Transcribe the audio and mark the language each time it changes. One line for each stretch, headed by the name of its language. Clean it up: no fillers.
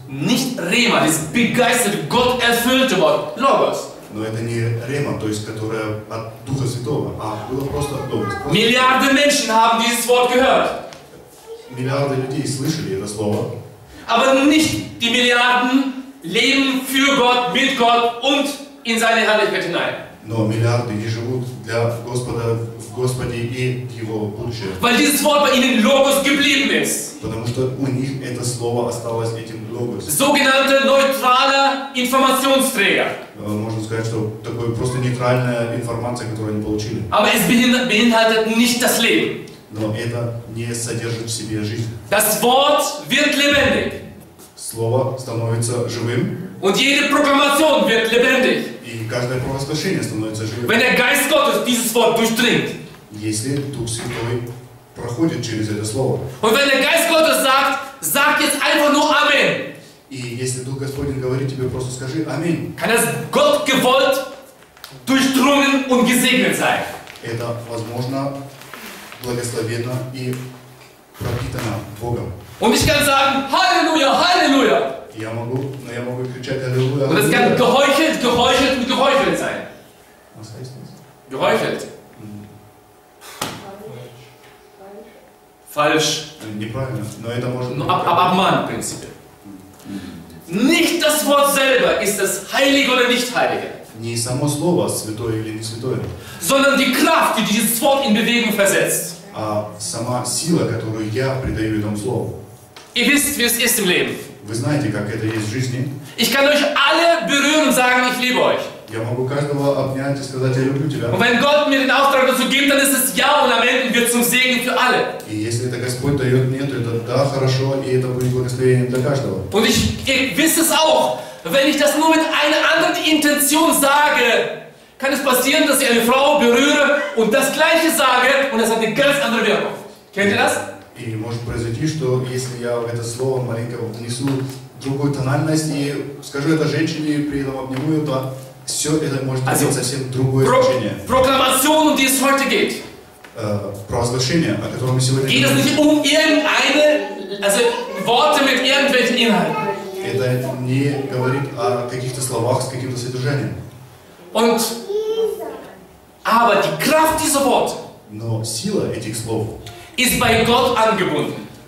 German: Nicht Rema, das begeisterte, Gott erfüllte Wort. Logos.
Russian: Но это не рема, то есть, которая от Духа Святого, а было просто Логос. Миллиарды людей
German: haben dieses Wort gehört.
Russian: Миллиарды людей слышали это слово.
German: Aber nicht die Milliarden leben für Gott, mit Gott und in seine Herrlichkeit hinein.
Russian: Но миллиарды не живут для Господа, в Господе и его будущее.
German: Weil dieses Wort bei ihnen Logos geblieben ist.
Russian: Потому что у них это слово осталось этим Логос.
German: Sogenannte neutrale Informationsträger.
Russian: Можно сказать, что такое просто нейтральная информация, которую они получили.
German: Aber es beinhaltet nicht das Leben.
Russian: Но это не содержит в себе жизнь.
German: Das Wort wird lebendig.
Russian: Слово становится живым.
German: Und jede Proklamation wird lebendig.
Russian: И каждое провозглашение становится живым.
German: Wenn der Geist Gottes dieses Wort durchdringt.
Russian: Если Дух Святой проходит через это слово.
German: Und wenn der Geist Gottes sagt, sag jetzt einfach nur Amen.
Russian: И если Дух Господень говорит тебе, просто скажи Аминь.
German: Kann das Gott gewollt durchdrungen und gesegnet sein.
Russian: Это возможно. Благословенно и пропитано Богом.
German: Und ich kann sagen, Halleluja, Halleluja.
Russian: Я могу, но я могу кричать Halleluja.
German: Und es kann geheuchelt, geheuchelt und geheuchelt sein. Was heißt das? Geheuchelt. Falsch.
Russian: Неправильно. Но это может. Ну, обман, в принципе.
German: Nicht das Wort selber ist das Heilige oder nicht Heilige.
Russian: Не само слово, святое или не святое.
German: Sondern die Kraft, die dieses Wort in Bewegung versetzt.
Russian: А сама сила, которую я придаю этому слову.
German: Ihr wisst, wie es ist im Leben.
Russian: Вы знаете, как это есть в жизни.
German: Ich kann euch alle berühren und sagen, ich liebe euch. Und wenn Gott mir den Auftrag dazu gibt, dann ist es ja und am Ende wird zum Segen für alle. Und ich wisse es auch, wenn ich das nur mit einer anderen Intention sage, kann es passieren, dass ich eine Frau berühre und das Gleiche sage und es hat eine ganz andere Wirkung. Kennt ihr das?
Russian: И может произойти, что если я в это слово маленько внесу другую тональность и скажу это женщине, при этом обниму ее, то все это может иметь совсем другое значение.
German: Proklamation, um die es heute geht.
Russian: Провозглашение, о котором мы сегодня говорим.
German: Geht es nicht um irgendeine, also Worte mit irgendwelchen Inhalten.
Russian: Это не говорит о каких-то словах с каким-то содержанием.
German: Und, aber die Kraft dieser Worte.
Russian: Но сила этих слов.
German: Ist bei Gott angebunden.